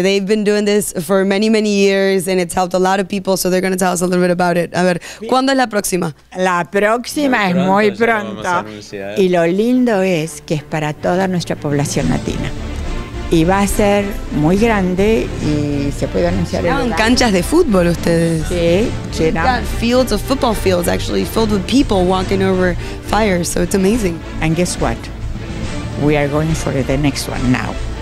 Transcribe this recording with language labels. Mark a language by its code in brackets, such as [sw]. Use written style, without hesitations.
[en] They've been doing this for many, many years and it's helped a lot of people, so they're going to tell us a little bit about it. [es] A ver, ¿cuándo es la próxima? La próxima es muy pronto. Y lo lindo es que es para toda nuestra población latina. Y va a ser muy grande y se puede anunciar. Llenaron canchas de fútbol ustedes. Sí, llenaron. [en] We've got fields of football fields actually filled with people walking over fire, so it's amazing. And guess what? We are going for the next one now.